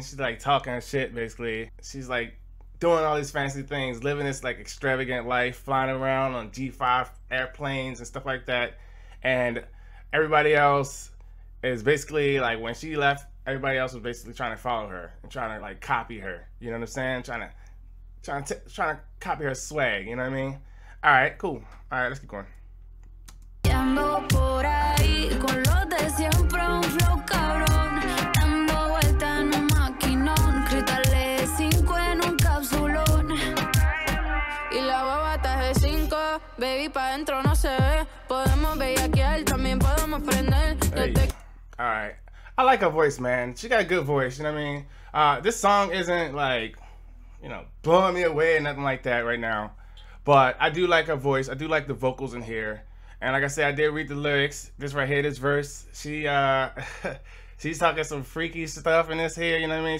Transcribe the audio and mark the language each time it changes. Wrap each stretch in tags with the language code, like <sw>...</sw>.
<en>She's, like, talking shit, basically. She's, like, doing all these fancy things, living this, like, extravagant life, flying around on G5 airplanes and stuff like that. And everybody else is basically, like, when she left, everybody else was basically trying to follow her and trying to, like, copy her, you know what I'm saying? Trying to copy her swag, you know what I mean? Alright, cool. Alright, let's keep going.</en> <es>Ando por ahí con los de siempre, un flow cabrón. Dando vuelta en un maquinón, cristales 5 en un capsulón. Y la baba está de 5, baby, pa' dentro no se ve. Podemos bellaquear, también podemos prender.</es> <en>Alright. I like her voice, man. She got a good voice, you know what I mean? This song isn't like, you know, blowing me away or nothing like that right now. But I do like her voice. I do like the vocals in here. And like I said, I did read the lyrics. This right here, this verse. She she's talking some freaky stuff in this here. You know what I mean?</en>